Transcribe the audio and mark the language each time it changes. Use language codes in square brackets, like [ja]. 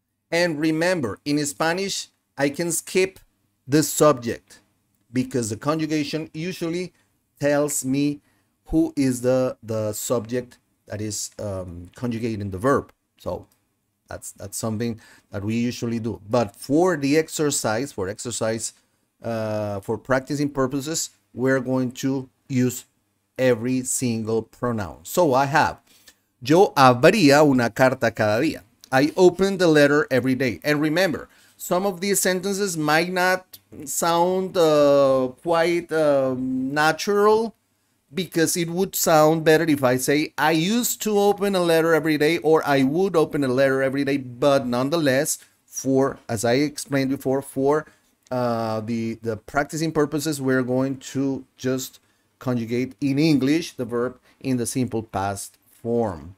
[en] And remember, in Spanish, I can skip the subject, because the conjugation usually tells me who is the subject that is conjugating the verb. So that's something that we usually do. But for the exercise, for practicing purposes, we're going to use every single pronoun. So I have, [es] yo abría una carta cada día. [en] I open the letter every day. And remember, some of these sentences might not sound quite natural, because it would sound better if I say, I used to open a letter every day, or I would open a letter every day. But nonetheless, for, as I explained before, for the practicing purposes, we're going to just conjugate in English the verb in the simple past form.